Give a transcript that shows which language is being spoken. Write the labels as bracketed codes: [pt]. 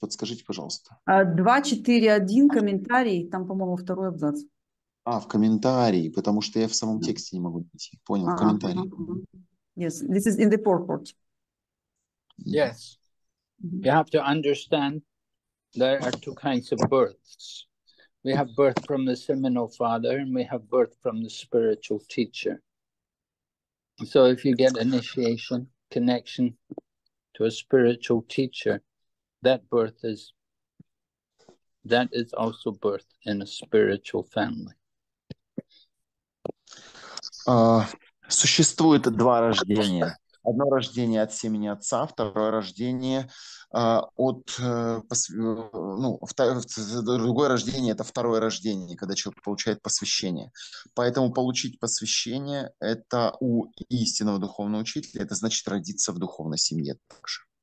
[ru] Подскажите, пожалуйста. 2.4.1, комментарий, там, по-моему, второй абзац. А, в комментарии, потому что я в самом тексте не могу найти. Понял, в комментарии. [en] Yes, this is in the purport. Yes, you have to understand there are two kinds of births. We have birth from the seminal father and we have birth from the spiritual teacher. So if you get initiation, connection to a spiritual teacher, that is also birth in a spiritual family. [ru] Существует два рождения. Одно рождение от семени отца, второе рождение от... Ну, другое рождение – это второе рождение, когда человек получает посвящение. Поэтому получить посвящение – это у истинного духовного учителя, это значит родиться в духовной семье также.